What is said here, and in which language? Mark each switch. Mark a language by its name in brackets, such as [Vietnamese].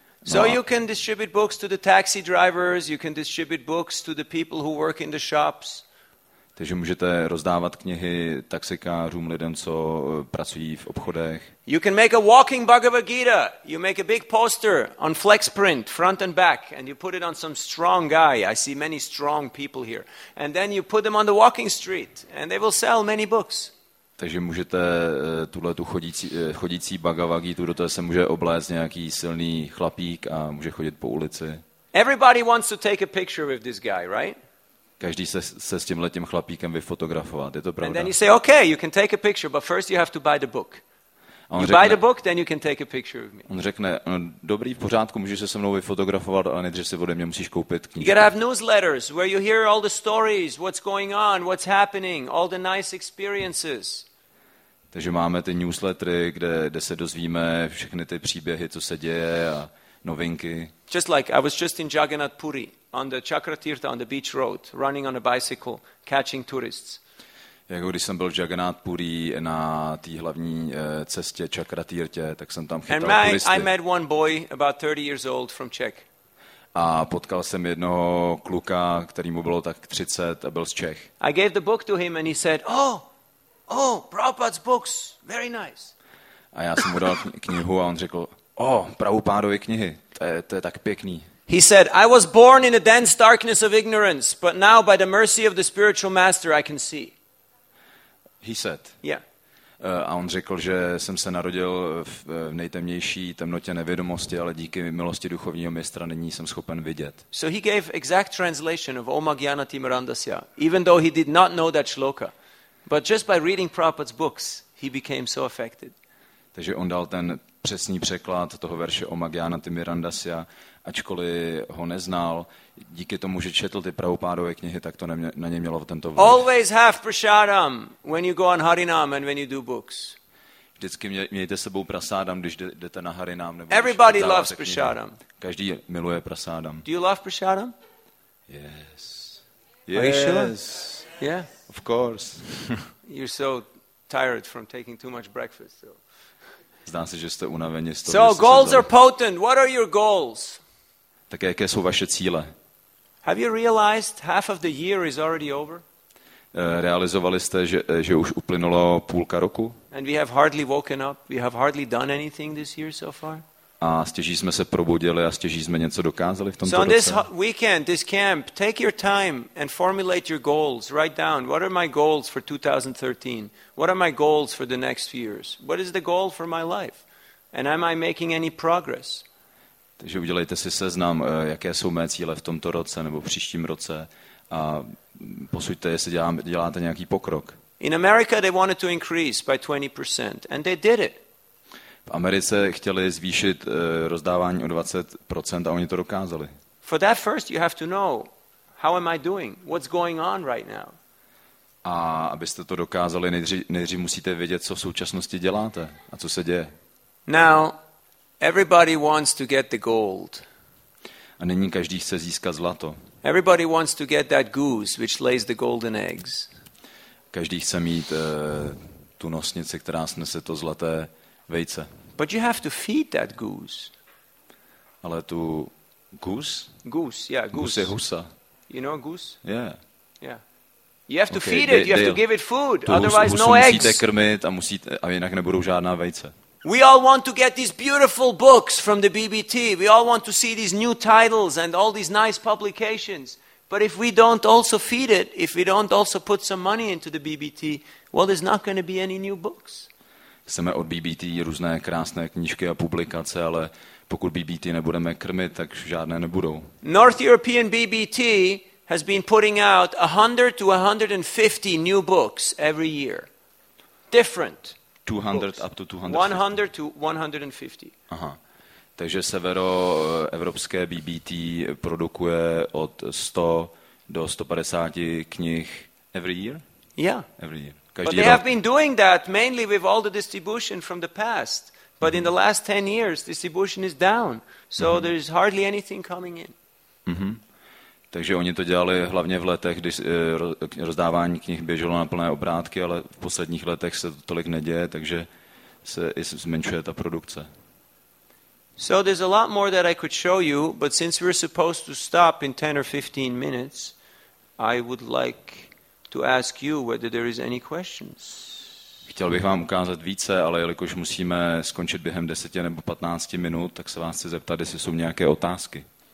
[English] So you can distribute books to the taxi drivers, you can distribute books to the people who work in the shops. [Czech] Takže můžete rozdávat knihy taxikářům, lidem, co pracují v obchodech. [English] You can make a walking Bhagavad Gita. You make a big poster on flex print, front and back, and you put it on some strong guy. I see many strong people here. And then you put them on the walking street, and they will sell many books. [Czech] Takže můžete tuhle tu chodící Bhagavad Gita, do toho se může obléct nějaký silný chlapík a může chodit po ulici. [English] Everybody wants to take a picture with this guy, right? [Czech] Každý se s tímhle tím chlapíkem vyfotografovat, je to pravda. [English] And then you say, okay, you can take a picture, but first you have to buy the book. Buy the book, then you can take a picture with me. [Czech] On řekne, no, dobrý, v pořádku, můžeš se mnou vyfotografovat, ale nejdřív si ode mě musíš koupit knížku. [English] You gotta have newsletters where you hear all the stories, what's going on, what's happening, all the nice experiences. [Czech] Takže máme ty newslettery, kde se dozvíme všechny ty příběhy, co se děje a novinky. [English] Just like I was just in Jagannath Puri on the Chakratirtha on the beach road running on a bicycle catching tourists. [Czech] Jako když jsem byl v Jagannath Puri na té hlavní cestě Chakratirtě, tak jsem tam chytal turisty. [English] I met one boy about 30 years old from Czech. [Czech] A potkal jsem jednoho kluka, kterýmu bylo tak 30 a byl z Čech. [English] I gave the book to him and he said, "Oh, Prabhupada's books, very nice." [Czech] A já jsem mu dal knihu a on řekl, Prabhupádovy knihy, to je tak pěkný. [English] He said, I was born in a dense darkness of ignorance, but now by the mercy of the spiritual master I can see. He said. Yeah. [Czech] A on řekl, že jsem se narodil v nejtemnější temnotě nevědomosti, ale díky milosti duchovního mistra nyní jsem schopen vidět. [English] So he gave exact translation of Om Agyanati Marandasya, even though he did not know that shloka. But just by reading Prabhupada's books, he became so affected. [Czech] Takže on dal ten přesný překlad toho verše Om Agyanati Marandasya, ačkoliv ho neznal, díky tomu, že četl ty Prabhupádové knihy, tak to na ně mělo tento vliv. [English] Always have prasadam when you go on harinam and when you do books. [Czech] Vždycky mějte sebou prasadam, když jdete na harinam nebo. [English] Everybody loves prasadam. [Czech] Každý miluje prasadam. [English] Do you love prasadam? Yes. Yes. Are you sure? Yeah. Of course. You're so tired from taking too much breakfast, so. [Czech] Zdá se, že jste unaveni z toho. [English] So goals are potent. What are your goals? [Czech] Tak jaké jsou vaše cíle? [English] Have you realized half of the year is already over? [Czech] Realizovali jste, že už uplynulo půlka roku? [English] And we have hardly woken up. We have hardly done anything this year so far. [Czech] A stěží jsme se probudili a stěží jsme něco dokázali v tomto roce. [English] So on this weekend, this camp, take your time and formulate your goals. Write down, what are my goals for 2013? What are my goals for the next few years? What is the goal for my life? And am I making any progress? [Czech] Takže udělejte si seznam, jaké jsou mé cíle v tomto roce nebo v příštím roce a posuďte, jestli děláte nějaký pokrok. [English] In America they wanted to increase by 20% and they did it. [Czech] V Americe chtěli zvýšit rozdávání o 20% a oni to dokázali. [English] For that first you have to know how am I doing? What's going on right now? [Czech] A abyste to dokázali, nejdřív musíte vědět, co v současnosti děláte a co se děje. [English] Now everybody wants to get the gold. [Czech] A nyní každý chce získat zlato. [English] Everybody wants to get that goose which lays the golden eggs. [Czech] Každý chce mít tu nosnici, která snese to zlaté vejce. [English] But you have to feed that goose. [Czech] Ale tu goose? [English] Goose, yeah, goose. [Czech] Goose je husa. [English] You know goose? Yeah. Yeah. You have to feed it, you have to give it food, [Czech] tu [English] otherwise no eggs. [Czech] Musíte krmit a jinak nebudou žádná vejce. [English] We all want to get these beautiful books from the BBT. We all want to see these new titles and all these nice publications. But if we don't also feed it, if we don't also put some money into the BBT, well, there's not going to be any new books. [Czech] Chceme od BBT různé krásné knížky a publikace, ale pokud BBT nebudeme krmit, tak žádné nebudou. [English] North European BBT has been putting out 100 to 150 new books every year. Different. 200 books. Up to 100 to 150. [Czech] Aha. Takže severo evropské BBT produkuje od 100 do 150 knih [English] every year? Yeah. Every year. But they have been doing that mainly with all the distribution from the past, but in the last 10 years distribution is down. So there is hardly anything coming in. Mhm. [Czech] Takže oni to dělali hlavně v letech, když rozdávání knih běželo na plné obrátky, ale v posledních letech se to tolik neděje, takže se i zmenšuje ta produkce. [English] So there's a lot more that I could show you, but since we're supposed to stop in 10 or 15 minutes, I would like to ask you whether there is any questions. [Czech] Chtěl bych vám ukázat více, ale jelikož musíme skončit během 10 nebo 15 minut, tak se vás chci zeptat, jestli jsou nějaké otázky.